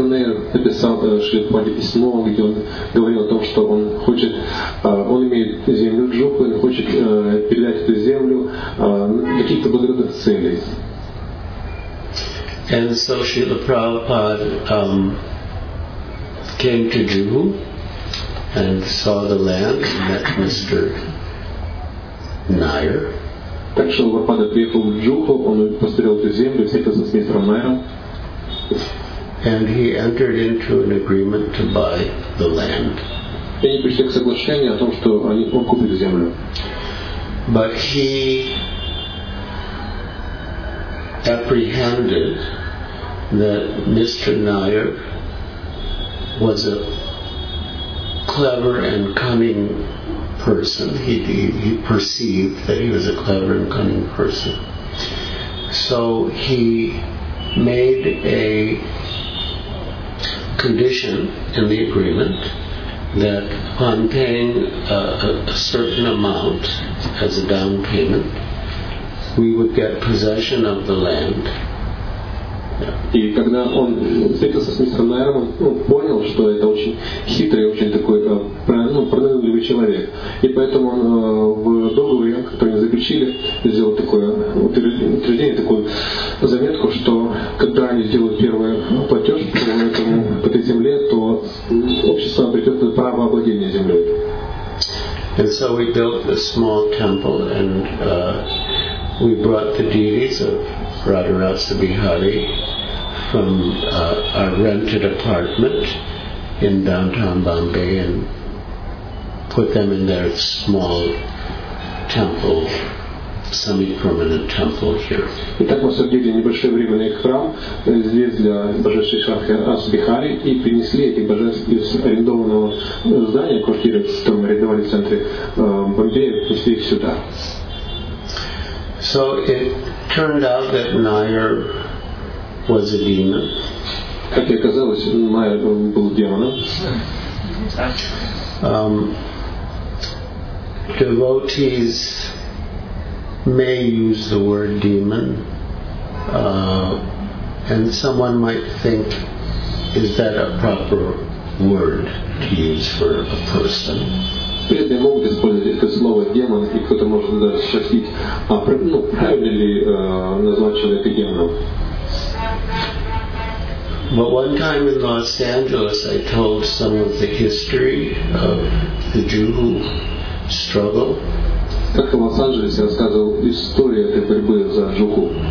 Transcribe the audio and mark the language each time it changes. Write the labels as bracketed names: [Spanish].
[Russian] Nair написал Шриле Прабхупаде письмо, где он говорил о том, что он хочет, он имеет землю Джуху, он хочет передать эту землю для каких-то благородных целей. [English] And so Srila Prabhupada came to Juhu and saw the land and met Mr. Nair. [Russian] Так что Прабхупада приехал в Джуху, он посмотрел эту землю, встретился с мистером Найром. [English] And he entered into an agreement to buy the land. [Russian] И они пришли к соглашению о том, что они купят землю. [English] But he apprehended that Mr. Nair was a clever and cunning person. He perceived that he was a clever and cunning person. So he made a condition in the agreement that upon paying a certain amount as a down payment, we would get possession of the land. [Russian] И когда он встретился с мистером Найером, он понял, что это очень хитрый, очень такой пронырливый человек. И поэтому он в договоре, который они заключили, сделал такое утверждение, такую заметку, что когда они сделают первый платеж по этой земле, то общество обретет право обладания землей. [English] And so we built this small temple, and we brought the deities of Radharasa Bihari from our rented apartment in downtown Bombay and put them in their small temple, semi-permanent temple here. [Russian] И так мы создали небольшой временный храм здесь для божественной Шанкарасы Бихари и принесли эти божества из арендованного здания, квартиры, которую мы арендовали в центре Бомбея, принесли их сюда. [English] So it turned out that Nair was a demon. [Russian] Как и оказалось, Nair был демоном. [English] Devotees may use the word demon, and someone might think, is that a proper word to use for a person? [Russian] Преданные могут использовать это слово демон, и кто-то может даже спросить, правильно ли назвать человека демоном? [English] But one time in Los Angeles, I told some of the history of the Jew struggle. [Russian] Как в Лос-Анджелесе рассказывал историю этой борьбы за жуку.